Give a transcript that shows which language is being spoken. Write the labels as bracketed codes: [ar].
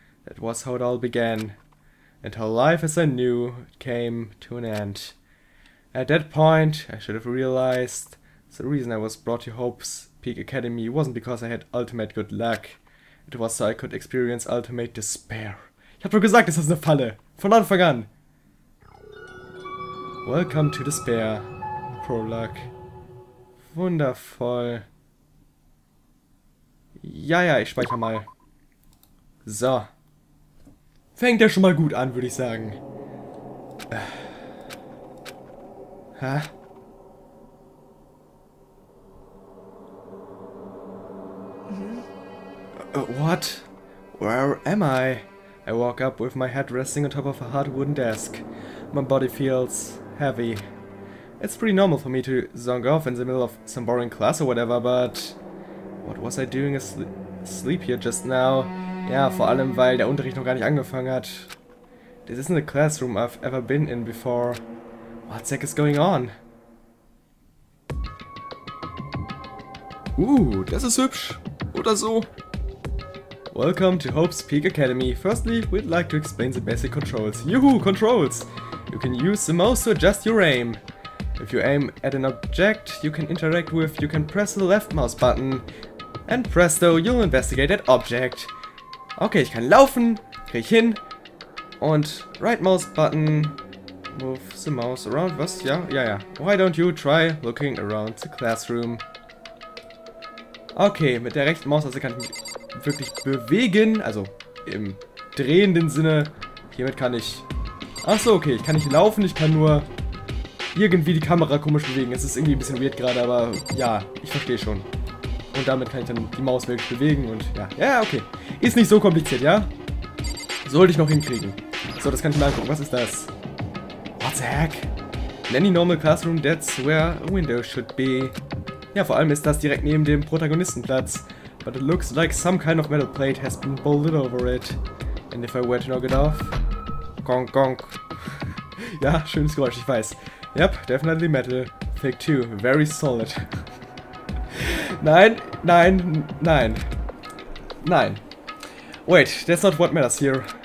[en] That was how it all began. And how life as I knew came to an end. At that point, I should have realized the reason I was brought to Hope's Peak Academy wasn't because I had ultimate good luck. It was so I could experience ultimate despair. [de] Ich hab doch gesagt, das ist eine Falle. Von Anfang an. [en] Welcome to Despair. Prologue. [de] Wundervoll. Ja, ich speichere mal. So. Fängt ja schon mal gut an, würde ich sagen. Hä? [en] What? Where am I? I walk up with my head resting on top of a hard wooden desk. My body feels heavy. It's pretty normal for me to zonk off in the middle of some boring class or whatever, but... What was I doing asleep here just now? [de] Ja, vor allem, weil der Unterricht noch gar nicht angefangen hat. [en] This isn't a classroom I've ever been in before. What the heck is going on? [de] Das ist hübsch. Oder so. [en] Welcome to Hope's Peak Academy. Firstly, we'd like to explain the basic controls. Juhu, controls! You can use the mouse to adjust your aim. If you aim at an object you can interact with, you can press the left mouse button. And presto, you'll investigate that object. [de] Okay, ich kann laufen, krieg ich hin. [en] Und right mouse button, move the mouse around, was? Ja. Why don't you try looking around the classroom? [de] Okay, mit der rechten Maus, also kann ich wirklich bewegen, also im drehenden Sinne. Hiermit kann ich... Achso, okay, ich kann nicht laufen, ich kann nur irgendwie die Kamera komisch bewegen. Es ist irgendwie ein bisschen weird gerade, aber ja, ich verstehe schon. Und damit kann ich dann die Maus wirklich bewegen und ja. Ja, okay. Ist nicht so kompliziert, ja? Sollte ich noch hinkriegen. So, das kann ich mal angucken. Was ist das? [en] What the heck? In any normal classroom, that's where a window should be. [de] Ja, vor allem ist das direkt neben dem Protagonistenplatz. [en] But it looks like some kind of metal plate has been bolted over it. And if I were to knock it off... [de] Gong gong. Ja, schönes Geräusch, ich weiß. [en] Yep, definitely metal. Take two, very solid. [de] Nein. [en] Wait, that's not what matters here.